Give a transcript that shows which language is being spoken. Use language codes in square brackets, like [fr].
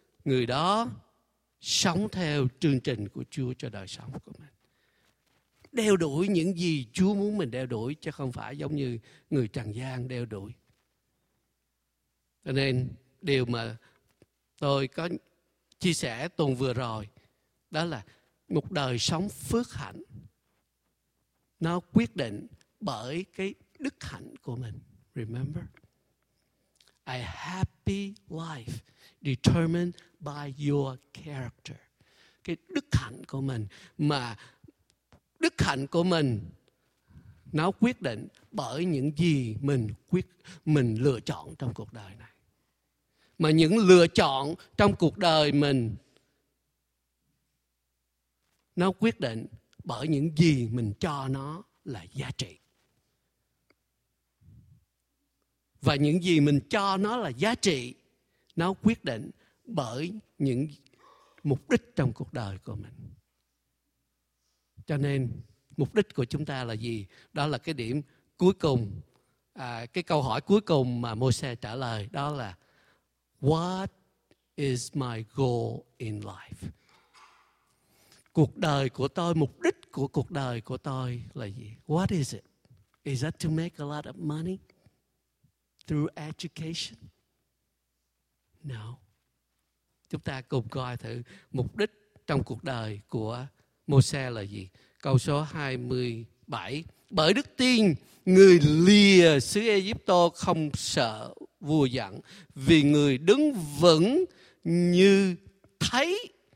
[vi] Người đó sống theo chương trình của Chúa cho đời sống của mình, đeo đuổi những gì Chúa muốn mình đeo đuổi, chứ không phải giống như người trần gian đeo đuổi. Cho nên điều mà tôi có chia sẻ tuần vừa rồi, đó là một đời sống phước hạnh nó quyết định bởi cái đức hạnh của mình. [en] Remember, a happy life determined by your character. [vi] Cái đức hạnh của mình, mà đức hạnh của mình nó quyết định bởi những gì mình lựa chọn trong cuộc đời này. Mà những lựa chọn trong cuộc đời mình nó quyết định bởi những gì mình cho nó là giá trị. Và những gì mình cho nó là giá trị nó quyết định bởi những mục đích trong cuộc đời của mình. Cho nên mục đích của chúng ta là gì? Đó là cái điểm cuối cùng, cái câu hỏi cuối cùng mà Môi-se trả lời, đó là [en] what is my goal in life? [vi] Cuộc đời của tôi, mục đích của cuộc đời của tôi là gì? [en] What is it? Is that to make a lot of money through education? No. [vi] Chúng ta cùng coi thử mục đích trong cuộc đời của Môi-se là gì? Câu số 20, 7. Bởi đức tin, người lìa xứ Ai Cập không sợ vua giận, vì người đứng vững như thấy.